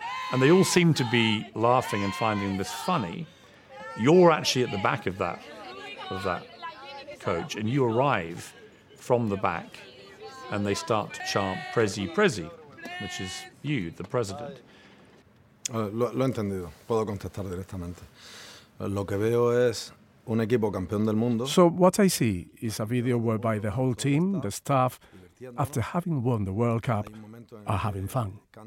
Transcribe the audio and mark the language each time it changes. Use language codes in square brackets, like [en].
[en] And they all seem to be laughing and finding this funny. You're actually at the back of that coach, and you arrive from the back, and they start to chant Prezi, Prezi, which is you, the president. [es] Lo entendido. Puedo contestar directamente. Lo que veo es un equipo campeón del mundo. [en] So what I see is a video whereby the whole team, the staff, after having won the World Cup, are having fun.